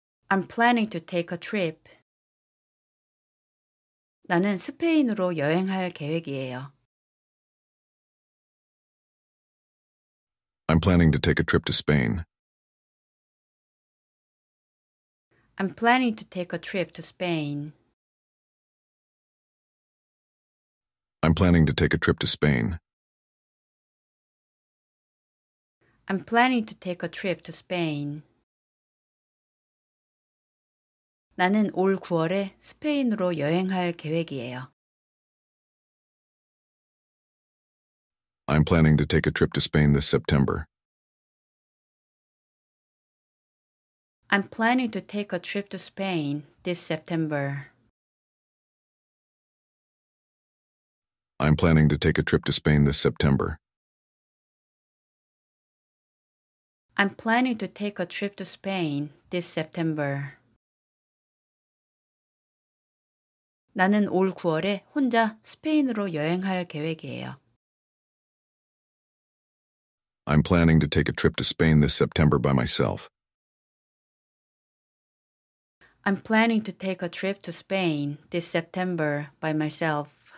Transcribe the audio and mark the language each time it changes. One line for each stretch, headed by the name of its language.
English: I'm planning to take a trip.
Korean: 나는 스페인으로 여행할 계획이에요.
English: I'm planning to take a trip to Spain. I'm planning to take a trip to Spain. I'm planning to take a trip to Spain. I'm planning to take a trip to Spain.
Korean: 나는 올 9월에 스페인으로 여행할 계획이에요.
English: I'm planning to take a trip to Spain this September. I'm planning to take a trip to Spain this September. I'm planning to take a trip to Spain this September. I'm planning to take a trip to Spain this September.
Korean: 나는 올 9월에 혼자 스페인으로 여행할 계획이에요.
English: I'm planning to take a trip to Spain this September by myself. I'm planning to take a trip to Spain this September by myself.